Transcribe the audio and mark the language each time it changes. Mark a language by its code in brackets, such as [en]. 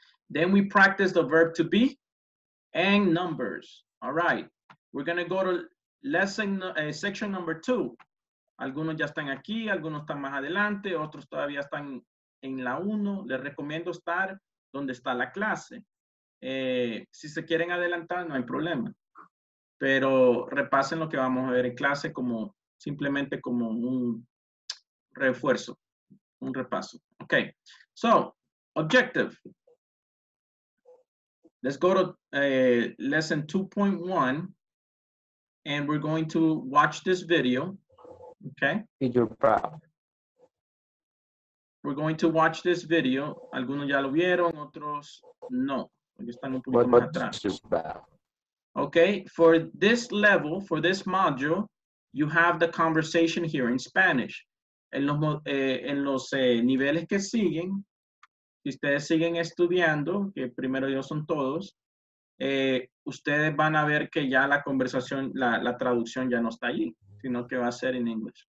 [en] Then we practice the verb to be and numbers. All right. We're going to go to lesson section number 2. [es] Algunos ya están aquí, algunos están más adelante, otros todavía están en la 1. Les recomiendo estar donde está la clase. Si se quieren adelantar, no hay problema. Pero repasen lo que vamos a ver en clase como simplemente como un refuerzo, un repaso. [en] Okay. So, objective. Let's go to lesson 2.1. And we're going to watch this video, okay? Your prop. We're going to watch this video. [es] Algunos ya lo vieron, otros no. Porque están un poquito [en] what, [es] más atrás. [en] Okay, for this level, for this module, you have the conversation here in Spanish. [es] En los niveles que siguen, si ustedes siguen estudiando, que primero Dios son todos, ustedes van a ver que ya la conversación, la traducción ya no está allí, sino que va a ser en inglés.